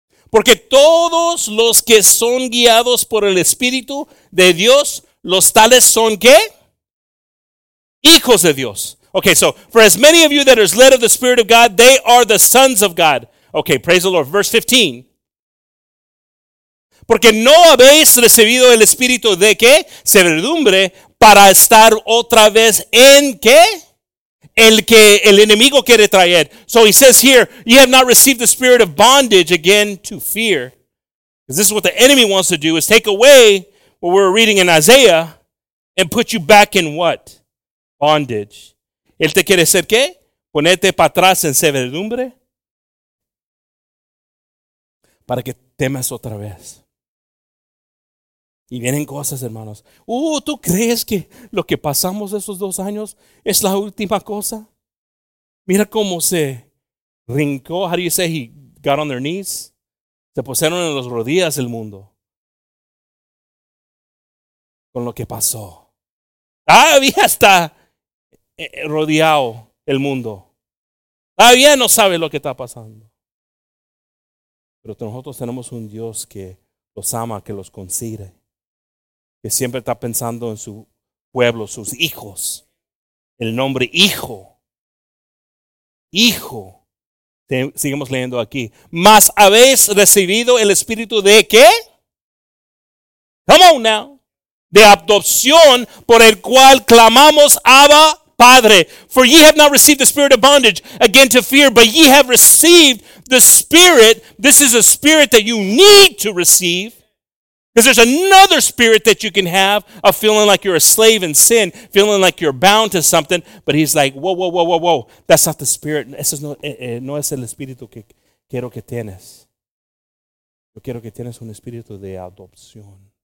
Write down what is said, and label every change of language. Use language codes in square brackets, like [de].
[es] Porque todos los que son guiados por el Espíritu de Dios, los tales son ¿qué? Hijos de Dios. [en] Okay, so for as many of you that are led of the Spirit of God, they are the sons of God. Okay, praise the Lord. Verse 15. [es] Porque no habéis recibido el Espíritu de ¿qué? Servidumbre para estar otra vez en ¿qué? El que el enemigo quiere traer. [en] So he says here, you have not received the spirit of bondage again to fear. Because this is what the enemy wants to do, is take away what we're reading in Isaiah and put you back in what? Bondage. [es] Él te quiere hacer ¿qué? Ponerte para atrás en servidumbre para que temas otra vez. Y vienen cosas, hermanos. ¿Tú crees que lo que pasamos esos dos años es la última cosa? Mira cómo se rincó. [en] How do you say he got on their knees? [es] Se pusieron en las rodillas el mundo. Con lo que pasó. Todavía está rodeado el mundo. Todavía no sabe lo que está pasando. Pero nosotros tenemos un Dios que los ama, que los considera. Que siempre está pensando en su pueblo, sus hijos. El nombre hijo. Hijo. Seguimos leyendo aquí. Mas habéis recibido el espíritu de ¿qué? [en] Come on now. [es] De adopción por el cual clamamos Abba Padre. [en] For ye have not received the spirit of bondage again to fear, but ye have received the spirit. This is a spirit that you need to receive. Because there's another spirit that you can have of feeling like you're a slave in sin, feeling like you're bound to something. But he's like, whoa, whoa, whoa, whoa, whoa. That's not the spirit. [es] Eso es no es el espíritu que quiero que tienes. Yo quiero que tienes un espíritu de adopción.